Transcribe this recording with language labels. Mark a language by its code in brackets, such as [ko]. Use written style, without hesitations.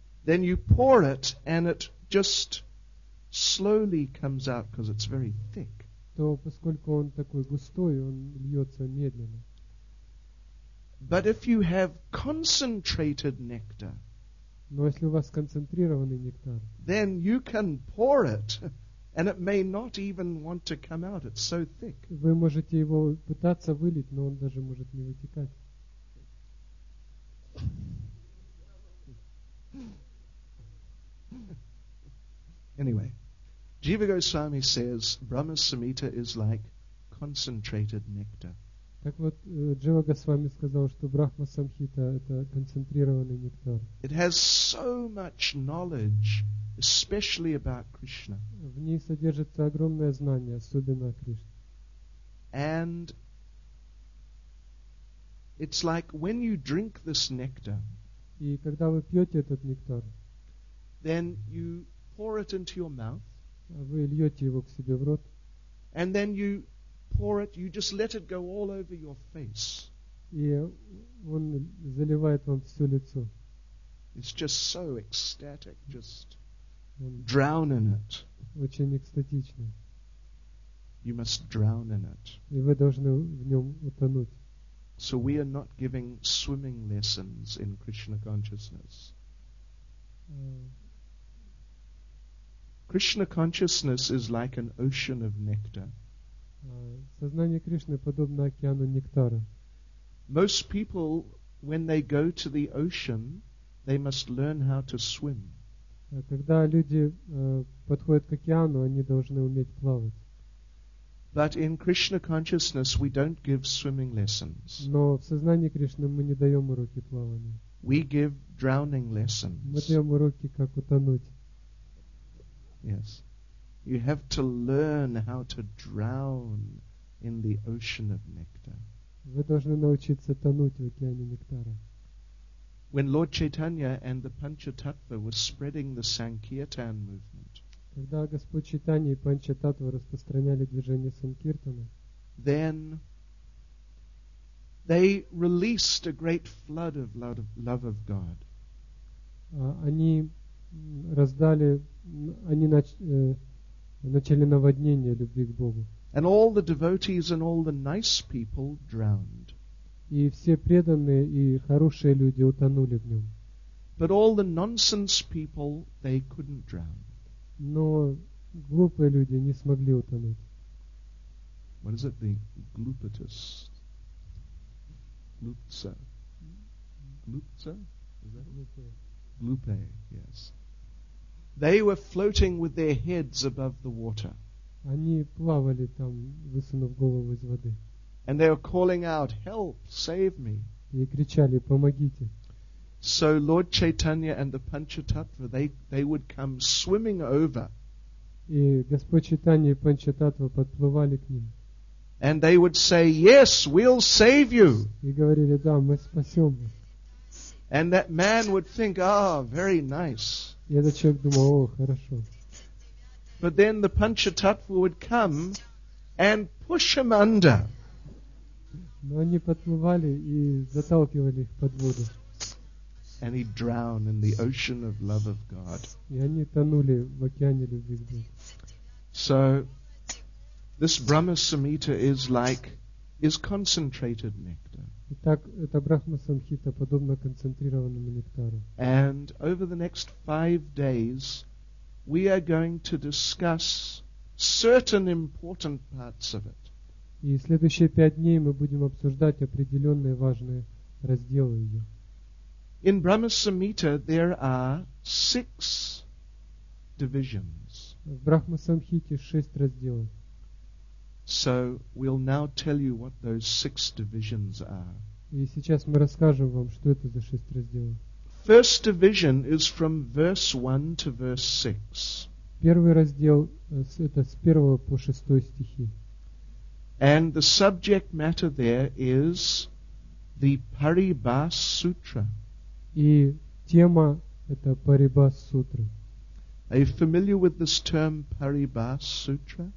[en] then you pour it and it just slowly comes out because it's very thick. [ru] То поскольку он такой густой, он льется медленно. [en] But if you have concentrated nectar, [ru] но если у вас концентрированный нектар, [en] then you can pour it, and it may not even want to come out. It's so thick. [ru] Вы можете его пытаться вылить, но он даже может не вытекать. [en] Anyway, Jiva Goswami says Brahma Samhita is like concentrated nectar. [ru] Так вот, Джива Госвами сказал, что Брахма Самхита — это концентрированный нектар. [en] It has so much knowledge, especially about Krishna. [ru] В ней содержится огромное знание, особенно о Кришне. [en] And it's like when you drink this nectar. [ru] И когда вы пьете этот нектар, [en] then you pour it into your mouth. [ru] Вы льете его к себе в рот. [en] And then you pour it, you just let it go all over your face. [ru] И он заливает вам все лицо. [en] It's just so ecstatic, just drown in it. [ru] Очень экстатично. [en] You must drown in it. [ru] И вы должны в нем утонуть. [en] So we are not giving swimming lessons in Krishna consciousness. Krishna consciousness is like an ocean of nectar. [ru] Сознание Кришны подобно океану нектара. [en] Most people, when they go to the ocean, they must learn how to swim. [ru] Когда люди подходят к океану, они должны уметь плавать. [en] But in Krishna consciousness, we don't give swimming lessons. [ru] Но в сознании Кришны мы не даем уроки плавания. [en] We give drowning lessons. [ru] Мы даем уроки, как утонуть. [en] Yes. You have to learn how to drown in the ocean of nectar. [ru] Вы должны научиться тонуть в океане нектара. [en] When Lord Chaitanya and the Panchatattva were spreading the Sankirtan movement, [ru] когда Господь Чайтанья и Панчататва распространяли движение Санкиртана, [en] then they released a great flood of love of God. [ru] Они раздали, они начали наводнение любви к Богу. [en] And all the devotees and all the nice people drowned. [ru] И все преданные и хорошие люди утонули в нем. [en] But all the nonsense people, they couldn't drown. [ru] Но глупые люди не смогли утонуть. [en] What is it? The glupitus. Glupsa. Glupsa? Is that glupe? Glupe, yes. They were floating with their heads above the water. [ru] Они плавали там, высунув голову из воды. [en] And they were calling out, "Help! Save me!" [ru] И кричали, помогите. [en] So Lord Chaitanya and the Panchatattva, they would come swimming over. [ru] И Господь Чайтанья и Панчататва подплывали к ним. [en] And they would say, "Yes, we'll save you." [ru] И говорили, да, мы спасем вас. [en] And that man would think, "Ah, very nice." [ru] И этот человек думал, о, хорошо. [en] But then the Panchatattva would come and push him under. [ru] Но они подплывали и заталкивали их под воду. [en] And he'd drown in the ocean of love of God. [ru] И они тонули в океане любви к Богу. [en] So this Brahma Samhita is like is concentrated nectar. [ru] Итак, это Брахма Самхита подобно концентрированному нектару. [en] And over the next 5 days, we are going to discuss certain important parts of it. [ru] И следующие 5 дней мы будем обсуждать определенные важные разделы ее. [en] In Brahma Samhita there are 6 divisions. [ru] В Брахма Самхите 6 разделов. [en] So we'll now tell you what those 6 divisions are. [ru] И сейчас мы расскажем вам, что это за 6 разделов. [en] First division is from verse 1 to verse 6. [ru] Первый раздел это с 1 по 6 стихи. [en] And the subject matter there is the Paribhas Sutra. [ru] И тема это Paribhas Sutra. [en] Are you familiar with this term Paribhas Sutra?